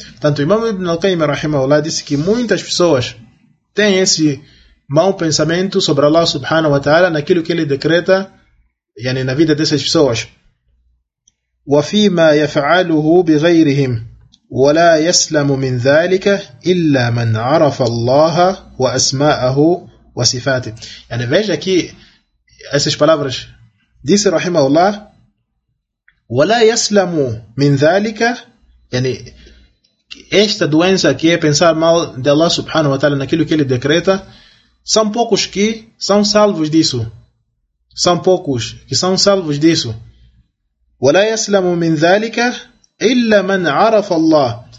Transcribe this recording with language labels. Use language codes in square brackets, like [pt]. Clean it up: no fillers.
[pt] Tanto Imam Ibn Al-Qayyim rahimahullah disse que muitas pessoas têm esse mau pensamento sobre Allah subhanahu wa ta'ala naquilo que ele decreta yani, na vida dessas pessoas. [ar] وَفِيمَا يَفْعَالُهُ بِغَيْرِهِمْ وَلَا يَسْلَمُ مِنْ ذَٰلِكَ إِلَّا مَنْ عَرَفَ اللَّهَ وَأَسْمَاءَهُ وَصِفَاتِهِ. [pt] Yani, veja aqui essas palavras. Disse rahimahullah: [ar] وَلَا يَسْلَمُ مِنْ ذَٰلِكَ. [pt] Yani, esta doença que é pensar mal de Allah subhanahu wa ta'ala naquilo que ele decreta, são poucos que são salvos disso. São poucos que são salvos disso. [ar] وَلَا يَسْلَمُ مِنْ ذَلِكَ إِلَّا مَنْ عَرَفَ اللَّهِ.